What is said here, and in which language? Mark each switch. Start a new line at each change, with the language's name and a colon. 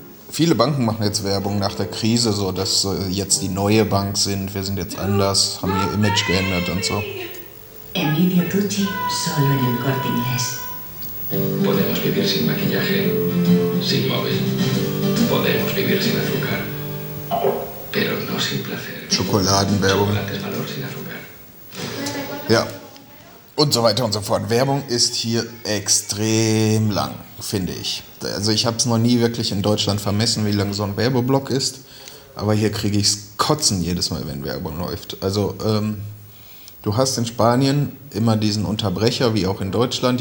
German: Viele Banken machen jetzt Werbung nach der Krise, so dass sie jetzt die neue Bank sind. Wir sind jetzt anders, haben ihr Image geändert und so.
Spanish: Emilio Tucci, solo en el Corte Inglés. Podemos vivir sin maquillaje, sin móvil. Podemos vivir sin azúcar, pero no sin placer.
German: Schokoladenwerbung. Ja. Und so weiter und so fort. Werbung ist hier extrem lang, finde ich. Also ich habe es noch nie wirklich in Deutschland vermessen, wie lang so ein Werbeblock ist. Aber hier kriege ich es kotzen jedes Mal, wenn Werbung läuft. Also du hast in Spanien immer diesen Unterbrecher, wie auch in Deutschland.